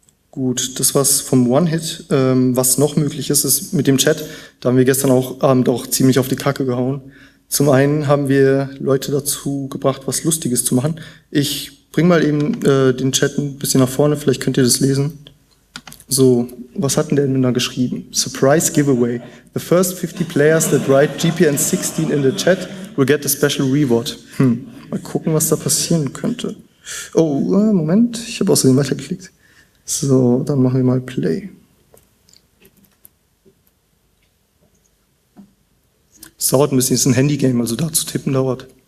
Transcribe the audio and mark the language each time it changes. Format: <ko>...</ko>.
<de>Gut, das war's vom One-Hit. Was noch möglich ist, ist mit dem Chat. Da haben wir gestern auch Abend auch ziemlich auf die Kacke gehauen. Zum einen haben wir Leute dazu gebracht, was Lustiges zu machen. Ich bring mal eben den Chat ein bisschen nach vorne, vielleicht könnt ihr das lesen. So, was hat denn da geschrieben?</de> <en>Surprise Giveaway. The first 50 players that write GPN16 in the chat will get a special reward.</en> <de>Mal gucken, was da passieren könnte. Oh, Moment, ich habe außerdem weitergeklickt. So, dann machen wir mal Play. Das dauert ein bisschen, das ist ein Handygame, also da zu tippen dauert.</de>